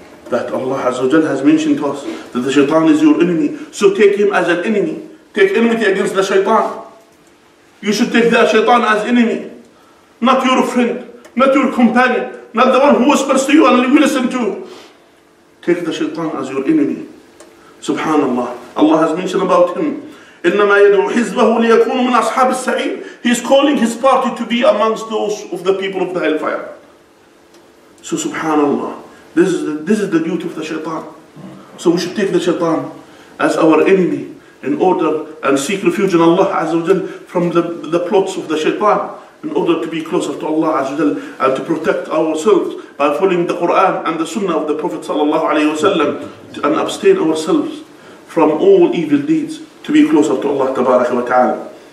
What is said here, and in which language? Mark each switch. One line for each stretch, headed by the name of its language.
English: That Allah Azza wa Jal has mentioned to us that the shaitan is your enemy, so take him as an enemy. Take enmity against the shaitan. You should take that shaitan as enemy, not your friend, not your companion, not the one who whispers to you and you listen to. Take the shaitan as your enemy. Subhanallah. Allah has mentioned about him,
Arabic: إِنَّمَا يَدْعُوا حِزْبَهُ لِيَكُونُ مِنْ أَصْحَابِ السَّعِيرِ.
English: He is calling his party to be amongst those of the people of the hellfire. So subhanallah, this is the duty of the shaitan. So we should take the shaitan as our enemy in order and seek refuge in Allah Azza wa Jal from the plots of the shaitan, in order to be closer to Allah Azza wa Jal and to protect ourselves by following the Quran and the Sunnah of the Prophet sallallahu alayhi wa sallam, and abstain ourselves from all evil deeds to be closer to Allah tabaraka wa ta'ala.